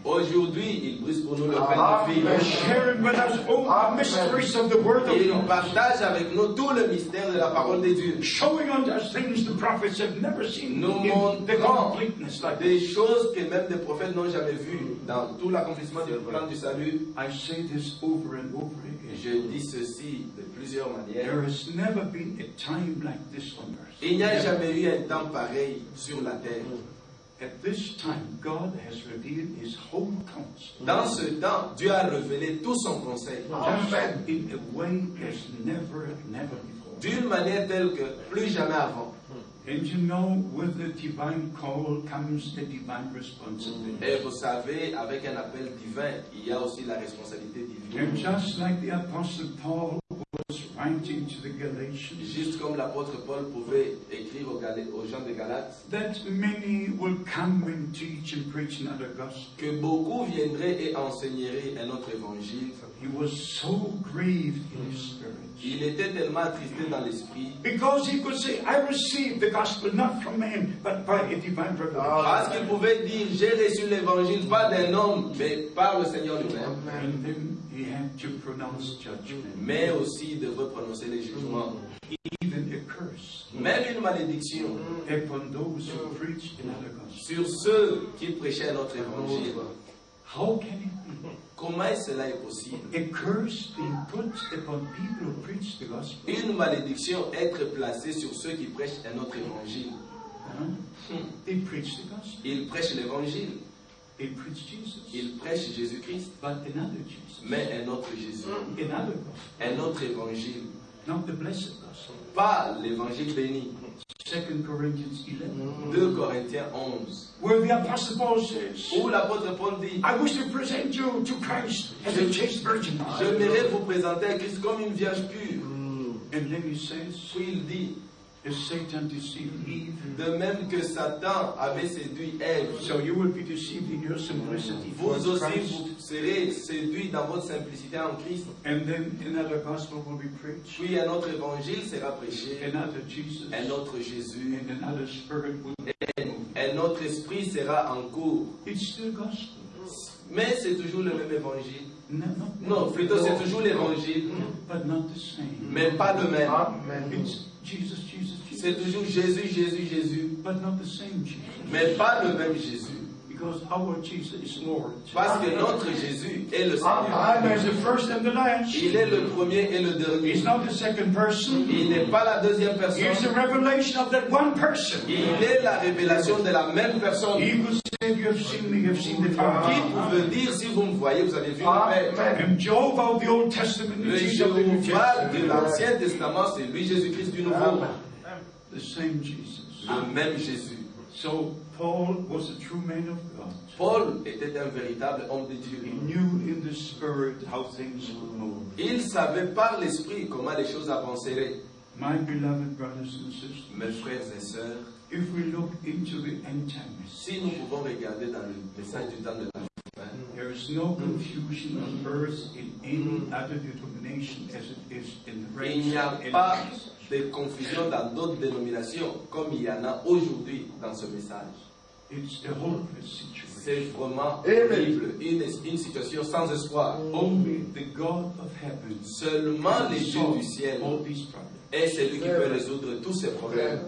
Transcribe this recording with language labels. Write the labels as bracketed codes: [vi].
[fr] Aujourd'hui, il brise pour nous le pain de vie. Il partage avec nous tous les mystères de la parole de Dieu. [en] Showing us things the prophets have never seen. [fr] Nous montrons des choses que même les prophètes n'ont jamais vues dans tout l'accomplissement du plan du salut. [en] I say this over and over again. [fr] Je dis ceci de plusieurs manières. [en] There has never been a time like this on earth. [fr] Il n'y a jamais eu un temps pareil sur la terre. [en] At this time, God has revealed His whole counsel. [fr] Dans ce temps, Dieu a révélé tout son conseil. [en] Amen. In a way as never before. [fr] D'une manière telle que plus jamais avant. [en] And you know, with the divine call comes the divine responsibility. [fr] Et vous savez, avec un appel divin, il y a aussi la responsabilité divine. [en] And just like the Apostle Paul. Writing to the Galatians. [fr] Juste comme l'apôtre Paul pouvait écrire aux gens de Galates. [en] That many will come and teach and preach another gospel. [fr] Que beaucoup viendraient et enseigneraient un autre évangile. [en] He was so grieved in his spirit. [fr] Il était tellement attristé dans l'esprit. [en] Because he could say, I received the gospel not from man, but by a divine revelation. [fr] Parce qu'il pouvait dire, j'ai reçu l'évangile pas d'un homme, mais par le Seigneur lui-même. [en] Amen. He had to pronounce judgment. [fr] Mais aussi il devait prononcer les jugements. [en] Even a curse. [fr] Même une malédiction. [en] Upon those who preach another gospel. [fr] Sur ceux qui prêchaient notre évangile. [en] How can it be? [fr] Comment cela est possible? [en] A curse being put upon people who preach the gospel. [fr] Une malédiction être placée sur ceux qui prêchent un autre évangile. [en] They preach the gospel. [fr] Ils prêchent l'évangile. [en] They preach Jesus. [fr] Ils prêchent Jésus-Christ. [en] But another Jesus. [fr] Mais un autre Jésus. [en] Another gospel. [fr] Un autre évangile. [en] Not the blessed gospel. [fr] Pas l'évangile béni. [en] 2 Corinthians 11. [fr] 2 Corinthiens 11. [en] Where the apostle Paul says, [fr] où l'apôtre Paul dit, [en] I wish to present you to Christ as a chaste virgin. [fr] J'aimerais vous présenter à Christ comme une vierge pure. [en] And then he says, [fr] puis il dit, [en] if Satan deceived Eve, [fr] de même que Satan avait séduit Ève, [en] so you will be deceived in your simplicity. [fr] Vous aussi vous serez séduit dans votre simplicité en Christ. [en] And then another gospel will be preached. [fr] Puis un autre évangile sera prêché. [en] Another Jesus. [fr] Un autre Jésus. [en] And another spirit will be moved. [fr] Un autre esprit sera en cours. [en] It's still gospel. [fr] Mais c'est toujours le même évangile. Non, plutôt c'est toujours l'évangile. [en] But not the same. [fr] Mais pas de même. [en] Amen. Jesus, Jesus, Jesus. [fr] C'est toujours Jésus, Jésus, Jésus. [en] But not the same Jesus. [fr] Mais pas le même Jésus. [en] Because our Jesus is Lord. [fr] Parce que notre Jésus est le Seigneur. Il est le premier et le dernier. [en] He's not the second person. [fr] Il n'est pas la deuxième personne. [en] He's the revelation of that one person. [fr] Il est la révélation de la même personne. [en] He could say, if you have seen me, you have seen the Father. [fr] Qui pouvait dire, si vous me voyez, vous avez vu le Père. [en] Job of the Old Testament, [fr] le Jéhovah de l'Ancien Testament, c'est lui Jésus-Christ du Nouveau. [en] The same Jesus. [fr] Le même Jésus. [en] So, Paul was a true man of God. [fr] Paul était un véritable homme de Dieu. [en] He knew in the spirit how things would move. [fr] Il savait par l'esprit comment les choses avanceraient. [en] My beloved brothers and sisters, [fr] mes frères et sœurs, [en] if we look into the end time, [fr] si nous pouvons regarder dans le message du temps de la fin, [en] there is no confusion on earth in any other denomination as it is in the rest. [fr] Des confusions dans d'autres dénominations comme il y en a aujourd'hui dans ce message. [en] It's a hopeless situation. [fr] C'est vraiment terrible, une situation sans espoir. [en] Only the God of heaven. [fr] Seulement le Dieu du ciel est celui qui peut résoudre tous ces problèmes.